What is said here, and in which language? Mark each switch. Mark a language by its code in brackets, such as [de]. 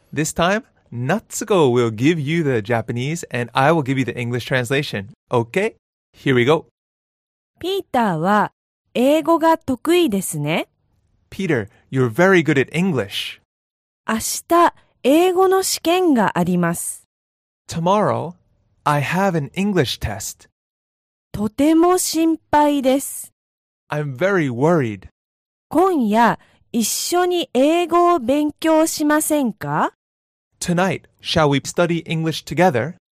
[en] This time, Natsuko will give you the Japanese and I will give you the English translation. Okay, here we go. [ja] Peter は英語が得意ですね。 [en] Peter, you're very good at English. [ja] 明日、英語の試験があります。 [en] Tomorrow, I have an English test. [ja] とても心配です。 [en] I'm very worried. [ja] 今夜、一緒に英語を勉強しませんか？ [en] Tonight, shall we study English together?